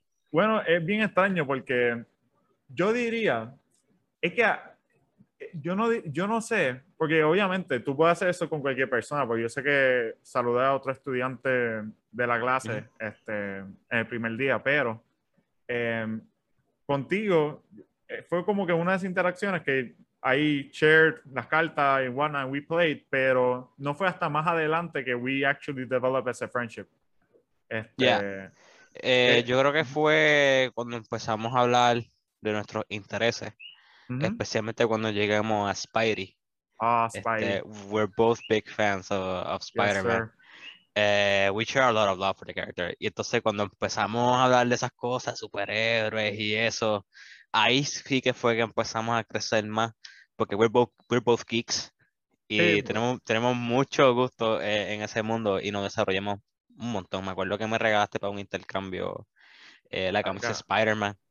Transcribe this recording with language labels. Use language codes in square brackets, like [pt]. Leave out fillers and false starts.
[es] Bueno, es bien extraño porque yo diría, es que yo no sé, porque obviamente tú puedes hacer eso con cualquier persona, porque yo sé que saludé a otro estudiante de la clase en el primer día, pero contigo fue como que una de esas interacciones que ahí [en] shared [es] las cartas y [en] whatnot, we played, [es] pero no fue hasta más adelante que [en] we actually developed as a friendship. [es] Yo creo que fue cuando empezamos a hablar de nuestros intereses, especialmente cuando llegamos a Spidey. [en] We're both big fans of Spider-Man. Yes, we share a lot of love for the character. [es] Y entonces cuando empezamos a hablar de esas cosas, superhéroes y eso, ahí sí que fue que empezamos a crecer más, porque [en] we're both geeks [es] y hey, tenemos mucho gusto en ese mundo y nos desarrollamos un montón. Me acuerdo que me regalaste para un intercambio la camisa Spider-Man.